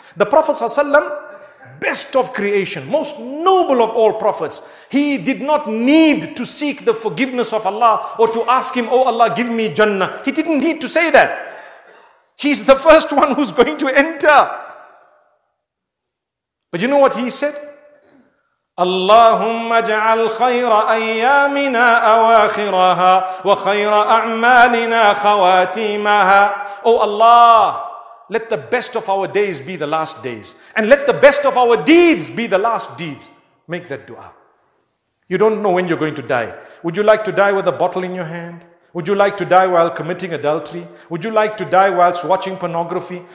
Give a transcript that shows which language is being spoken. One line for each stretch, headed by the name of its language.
English: The Prophet ﷺ, best of creation, most noble of all prophets, he did not need to seek the forgiveness of Allah or to ask him, oh Allah, give me Jannah. He didn't need to say that. He's the first one who's going to enter. But you know what he said?
Arabic: اللهم اجعل خير أيامنا أواخرها وخير أعمالنا خواتيمها.
English: Oh Allah, let the best of our days be the last days. And let the best of our deeds be the last deeds. Make that dua. You don't know when you're going to die. Would you like to die with a bottle in your hand? Would you like to die while committing adultery? Would you like to die whilst watching pornography?